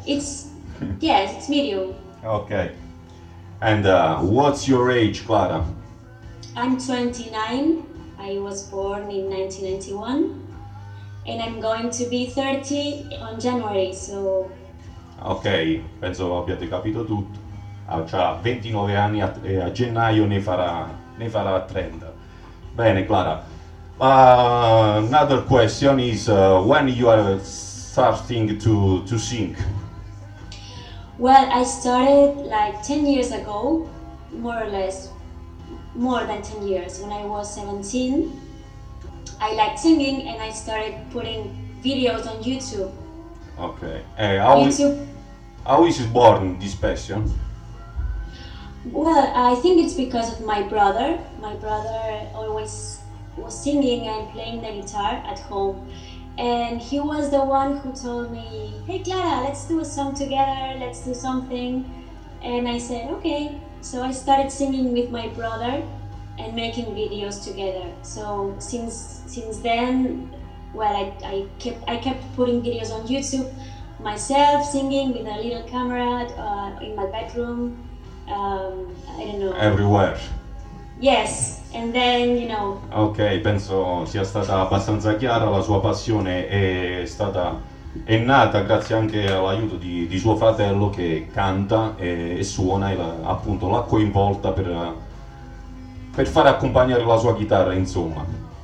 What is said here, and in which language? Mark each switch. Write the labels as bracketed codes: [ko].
[en] It's yes, it's medium. Okay. And what's your age, Clara? I'm 29. I was born in 1991. And I'm going to be 30 on January, so... [it] Ok, penso abbiate capito tutto. Ha già 29 anni e a gennaio ne farà 30. Bene, Clara. [en] Another question is, when you are starting to sing? Well, I started like 10 years ago, more or less, more than 10 years, when I was 17. I like singing and I started putting videos on YouTube. Okay. How is it born, this passion? Well, I think it's because of my brother. My brother always was singing and playing the guitar at home. And he was the one who told me, hey Clara, let's do a song together, let's do something. And I said, okay. So I started singing with my brother and making videos together. So since then, well, I kept putting videos on YouTube, myself singing with a little camera in my bedroom. I don't know. Everywhere. Yes, and then, you know. [it] Okay, penso sia stata abbastanza chiara la sua passione è nata grazie anche all'aiuto di suo fratello che canta e suona e appunto l'ha coinvolta per far accompagnare la sua chitarra, insomma.